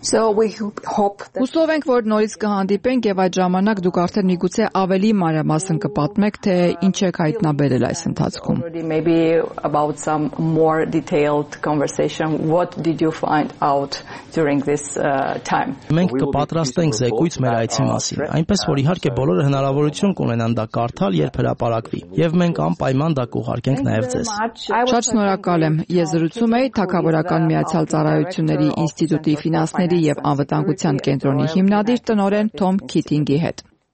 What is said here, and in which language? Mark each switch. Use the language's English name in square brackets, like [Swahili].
[Armenian] Հուսով ենք, որ նորից կհանդիպենք եւ այդ ժամանակ դուք արդեն միգուցե ավելի մանրամասն կպատմեք, թե ինչ եք հայտնաբերել այս ընթացքում։ [English] Maybe about some more detailed conversation. What did you find out during this time? [Armenian] Մենք կպատրաստենք զեկույց մեր այցի մասին, այնպես որ իհարկե բոլորը հնարավորություն կունենան դա կարդալ, երբ հրապարակվի, եւ մենք անպայման դա կուղարկենք նաեւ ձեզ։ Շատ շնորհակալ եմ։ Ես զրուցում եի Թագավորական Միացյալ Ծառայությունների Ինստիտուտի ֆինանսների եւ անվտանգության կենտրոնի հիմնադիր տնօրեն Թոմ Քիթինգի հետ։